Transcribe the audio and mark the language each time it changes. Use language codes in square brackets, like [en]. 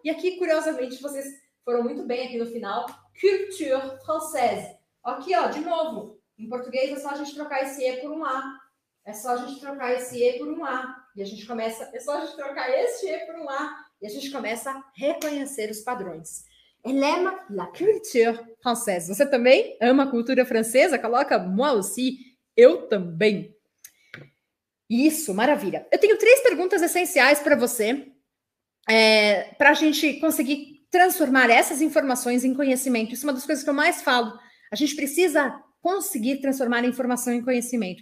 [pt] E aqui, curiosamente, vocês foram muito bem aqui no final... [fr] Culture française. [pt] Aqui, ó, de novo. Em português é só a gente trocar esse E por um A. É só a gente trocar esse E por um A. E a gente começa... É só a gente trocar esse E por um A. E a gente começa a reconhecer os padrões. [fr] Elle aime la culture française. [pt] Você também ama a cultura francesa? Coloca [fr] moi aussi. [pt] Eu também. Isso, maravilha. Eu tenho três perguntas essenciais para você, para a gente conseguir transformar essas informações em conhecimento. Isso é uma das coisas que eu mais falo. A gente precisa conseguir transformar a informação em conhecimento.